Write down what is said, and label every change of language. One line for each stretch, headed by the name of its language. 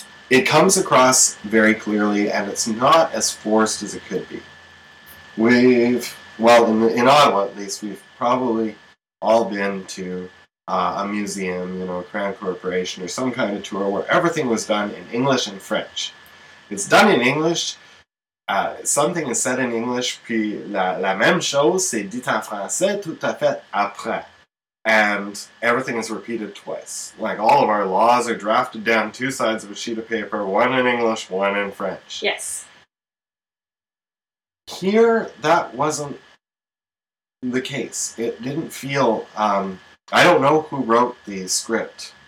English: It comes across very clearly, and it's not as forced as it could be. In Ottawa at least, we've probably all been to a museum, you know, a Crown Corporation, or some kind of tour where everything was done in English and French. It's done in English Something is said in English,
French: puis la même chose c'est dit en français tout à fait après.
English: And everything is repeated twice. Like, all of our laws are drafted down two sides of a sheet of paper, one in English, one in French. Yes. Here, that wasn't the case. It didn't feel, I don't know who wrote the script.